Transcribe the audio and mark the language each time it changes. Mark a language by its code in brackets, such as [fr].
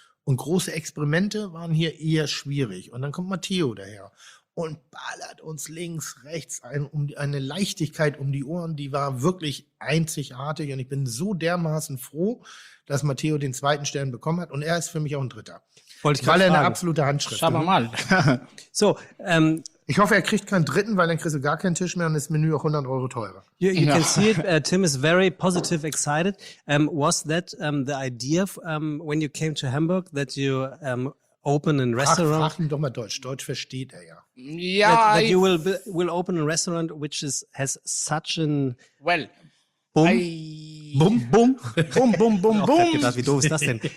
[de] Und große Experimente waren hier eher schwierig. Und dann kommt Matteo daher und ballert uns links, rechts eine Leichtigkeit um die Ohren, die war wirklich einzigartig. Und ich bin so dermaßen froh, dass Matteo den 2. Stern bekommen hat. Und er ist für mich auch ein 3. Wollte ich gerade sagen. Weil er eine absolute Handschrift. Schau mal. So, ich hoffe, er kriegt keinen 3., weil dann kriegst du gar keinen Tisch mehr und das Menü auch 100 Euro teurer. [en] You can see it. Tim is very positive, excited. Was that the idea, when you came to Hamburg, that you open a restaurant? [de] Sprach ihn doch mal Deutsch. Deutsch versteht er ja. [en] Yeah, that you will open a restaurant which has such an boom. [de] Gedacht, wie doof ist das denn?